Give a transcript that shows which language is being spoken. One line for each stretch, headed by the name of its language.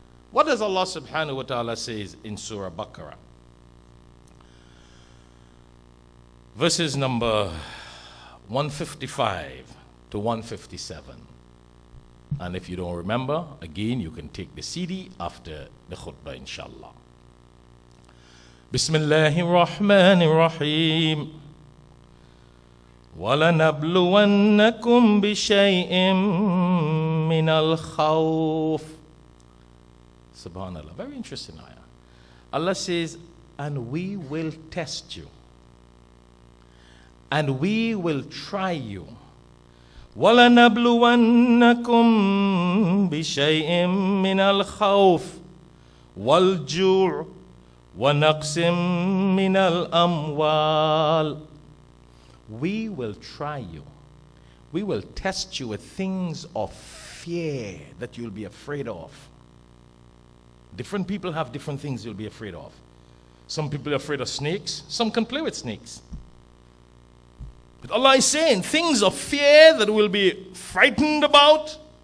English: What does Allah subhanahu wa ta'ala say in Surah Baqarah? Verses number 155 to 157. And if you don't remember, again, you can take the CD after the khutbah, inshallah.
Arabic: بسم الله الرحمن الرحيم ولنبلونكم بشيء من الخوف سبحان الله.
English: Very interesting ayah. Allah says, and we will test you and we will try you.
Arabic: ولنبلونكم بشيء من الخوف والجوع وَنَقْسِمْ مِنَ الْأَمْوَالِ.
English: We will try you. We will test you with things of fear that you'll be afraid of. Different people have different things you'll be afraid of. Some people are afraid of snakes. Some can play with snakes. But Allah is saying things of fear that we'll be frightened about.